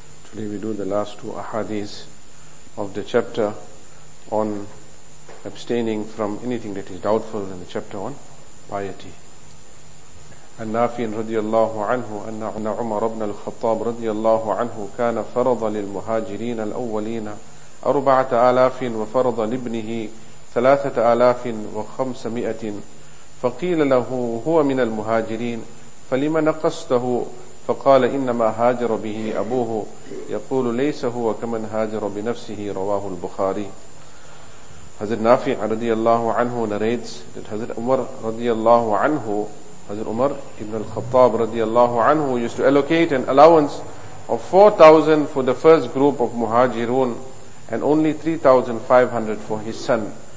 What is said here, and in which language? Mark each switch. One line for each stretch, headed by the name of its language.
English: Today we do the last two ahadith of the chapter on abstaining from anything that is doubtful in the chapter on piety.
Arabic: النافع رضي الله عنه أن عمر بن الخطاب رضي الله عنه كان فرض للمهاجرين الأولين 4,000 وفرض لابنه 3,500 فقيل له هو من المهاجرين فلما نقصته فقال إنما هاجر به أبوه يقول ليس هو كمن هاجر بنفسه رواه البخاري. حضرت نافع رضي الله عنه
English: narrates that
Arabic: حضرت عمر رضي الله عنه
English: حضرت عمر ابن الخطاب رضي الله عنه used to allocate an allowance of 4,000 for the first group of مهاجرون and only 3,500 for his son.